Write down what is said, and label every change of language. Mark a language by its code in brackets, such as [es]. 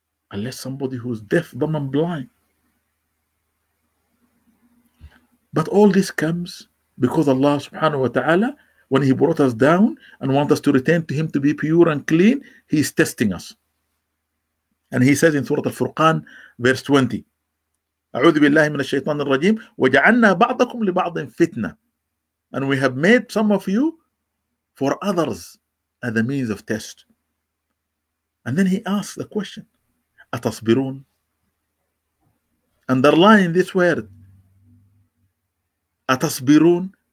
[en] Unless somebody who's deaf, dumb, and blind. But all this comes because Allah subhanahu wa ta'ala, when he brought us down and want us to return to him to be pure and clean, he is testing us. And he says in Surah Al-Furqan, verse 20, [ar] أعوذ بالله من الشيطان الرجيم وجعلنا بعضكم لبعض فتنة. [en] And we have made some of you for others as a means of test. And then he asks the question, [ar] أتصبرون? [en] Underline this word, أتصبرون?